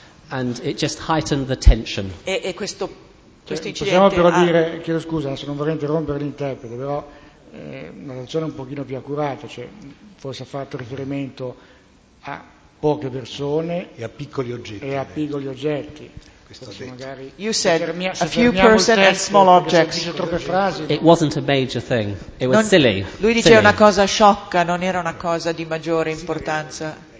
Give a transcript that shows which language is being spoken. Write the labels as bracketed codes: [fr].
[en] And it just heightened the tension. [it] E questo incidente. Possiamo però dire, chiedo scusa, se non vorrei interrompere l'interprete, però una relazione un pochino più accurata, cioè forse ha fatto riferimento a poche persone e a piccoli oggetti. E a piccoli oggetti. [en] You said a few persons and small objects. It wasn't a major thing. It was silly. [it] Lui diceva una cosa sciocca, non era una cosa di maggiore importanza.